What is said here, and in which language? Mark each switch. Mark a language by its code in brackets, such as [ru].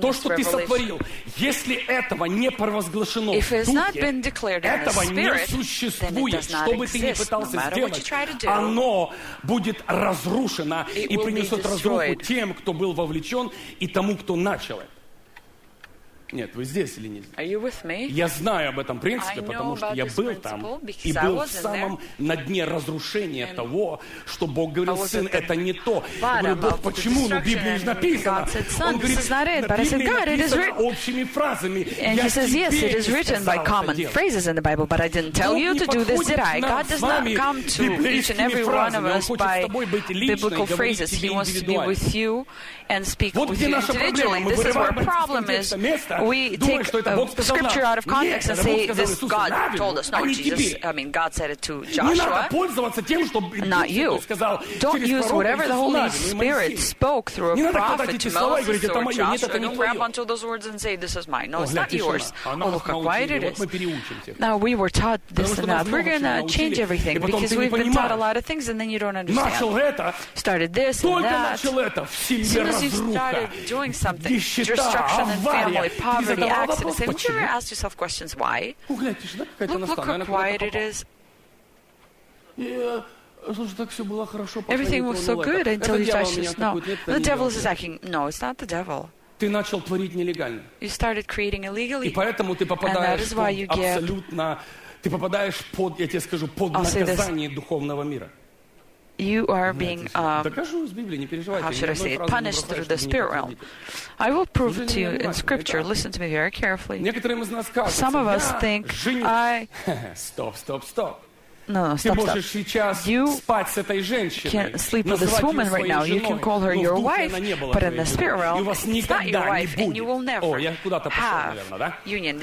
[ru] То, что ты сотворил, если этого не провозглашено в духе, этого не существует, что бы ты ни пытался сделать, оно будет разрушено и принесет разруху тем, кто был вовлечен, и тому, кто начал это. Нет, вы здесь или нет? Я знаю об этом принципе, потому что я был там и был в самом на дне разрушения того, что Бог говорил, сын, это не то. Я говорю, Бог, почему? Ну, в Библии же написано. Он говорит, на Библии написано общими фразами. [en] And he says, yes, it is written by common phrases in the Bible, but I didn't tell you to do this, did I? God does not come to each and every one of us by biblical phrases. He wants to be with you and speak with you individually. This is where our problem is. we take scripture out of context and say this God told us, not Jesus. I mean, God said it to Joshua. Not you. Don't use whatever the Holy Spirit spoke through a prophet to Moses or Joshua. Don't grab onto those words and say, this is mine. No, it's not yours. Oh, look how quiet it is. Now, we were taught this and that. We're going to change everything because we've been taught a lot of things and then you don't understand. Started this and that. As soon as you started doing something, destruction and family, poverty, accidents, have you ever asked yourself questions why? Look how quiet it is. Everything was so good until you touched this. No, the devil is attacking. No, it's not the devil. [ru] Ты начал творить нелегально. [en] You started creating illegally. [ru] И поэтому ты попадаешь в абсолютно... Ты попадаешь под, я тебе скажу, под наказание духовного мира. [en] You are being how should I say it, punished through the spirit realm. I will prove it to you in scripture. Listen to me very carefully. Some of us think, Stop. No, stop. You can't sleep with this woman right now. You can call her your wife, but in the spirit realm, it's not your wife, and you will never have union.